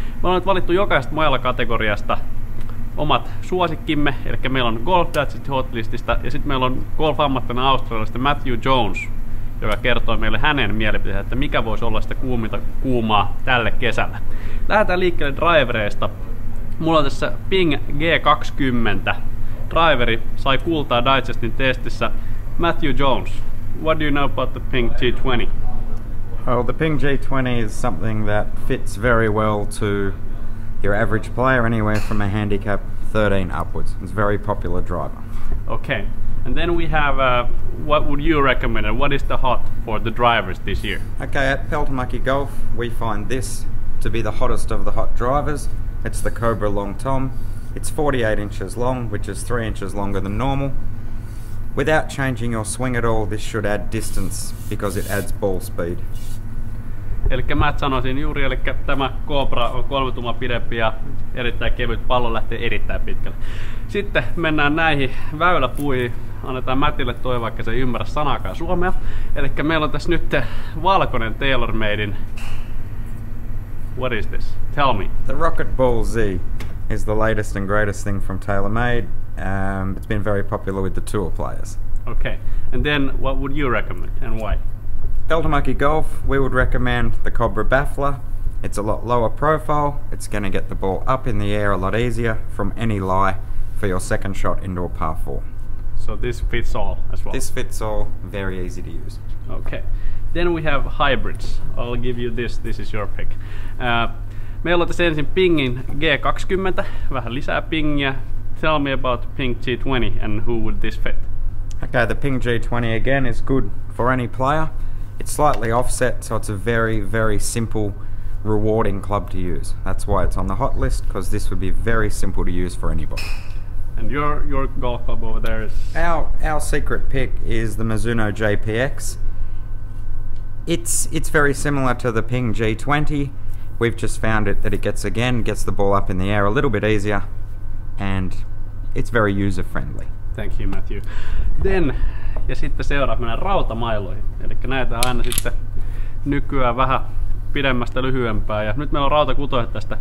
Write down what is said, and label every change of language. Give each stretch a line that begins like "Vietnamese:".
Finnish: Me on nyt valittu jokaisesta majalla kategoriasta omat suosikkimme, eli meillä on Golf Digestin hotlistista ja sitten meillä on golf-ammattina australialaisesta Matthew Jones, joka kertoo meille hänen mielipiteensä, että mikä voisi olla sitä kuumaa tälle kesällä. Lähdetään liikkeelle drivereista. Mulla on tässä Ping G20. Driveri sai kultaa Digestin testissä.
English: Matthew Jones, what do you know about the Ping G20? Well, the Ping G20 is something that fits very well to your average player, anywhere from a handicap 13 upwards. It's a very popular driver. Okay. And then we have, what would you recommend, and what is the hot for the drivers this year? Okay, at Peltomäki Golf, we find this to be the hottest of the hot drivers. It's the Cobra Long Tom. It's 48 inches long, which is 3 inches longer than normal. Without changing your swing at all, this should add distance, because it adds ball speed.
Finnish: Elikkä mä sanoisin juuri, elikkä tämä Cobra on 3 tuumaa pidempi ja erittäin kevyt, pallo lähtee erittäin pitkälle. Sitten mennään näihin väyläpuihin. Annetaan Mätille toi, vaikka se ei ymmärrä sanaakaan suomea. Elikkä meillä on tässä nyt valkoinen TaylorMadein.
English: What is this? Tell me. The Rocket Ball Z is the latest and greatest thing from TaylorMade. It's been very popular with the tour players. Okay. And then what would you recommend and why? Peltomäki Golf, we would recommend the Cobra Baffler. It's a lot lower profile. It's going to get the ball up in the air a lot easier from any lie for your second shot into a par 4. So this fits all as well? This fits all. Very easy to use. Okay. Then we have hybrids. I'll give you this. This is your pick.
Finnish: Meillä on tässä ensin Pingin G20. Vähän lisää pingiä.
English: Tell me about Ping G20 and who would this fit? Okay, the Ping G20 again is good for any player. It's slightly offset, so it's a very, very simple, rewarding club to use. That's why it's on the hot list, because this would be very simple to use for anybody. And your golf club over there is? Our secret pick is the Mizuno JPX. It's very similar to the Ping G20. We've just found it that it gets the ball up in the air a little bit easier, and it's very user-friendly. Thank you, Matthew.
Finnish: Then, ja sitten seuraava mennään rautamailoihin. Eli näitä aina sitten nykyään vähän pidemmästä lyhyempää. Ja nyt meillä on rautakutoja tästä.